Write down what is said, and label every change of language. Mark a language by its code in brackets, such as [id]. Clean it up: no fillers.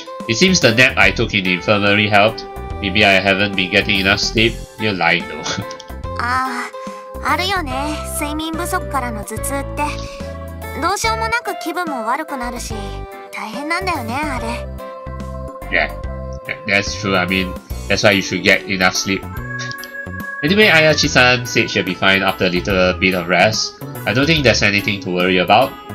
[en] It seems the nap I took in the infirmary helped. Maybe I haven't been getting enough sleep. You're lying though. [ja] あるよね、睡眠不足からの頭痛って。どうしようもなく気分も悪くなるし、大変なんだよね、あれ。 [en] Yeah, that's true. I mean, that's why you should get enough sleep. Anyway, Ayachi-san said she'll be fine after a little bit of rest. I don't think there's anything to worry about.